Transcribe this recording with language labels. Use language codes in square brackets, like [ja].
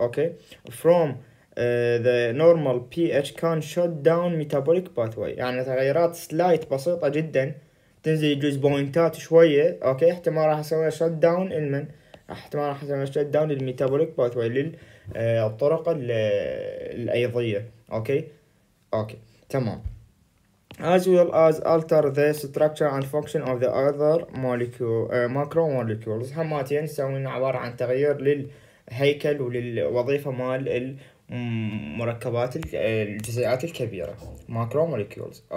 [ar] اوكي، [en] from the normal pH can shut down metabolic pathway، [ar] يعني تغيرات سلايت بسيطة جدا تنزل يجوز بوينتات شوية. اوكي، احتمال راح اسوي شوت داون المن، احتمال راح اسوي شوت داون للميتابوليك باثوي للطرق الايضية. اوكي تمام، [en] as well as alter the structure and function of the other molecule macro molecules. [ar] هماتين يسوون عبارة عن تغيير للهيكل وللوظيفة مال مركبات الجزيئات الكبيرة macro molecules.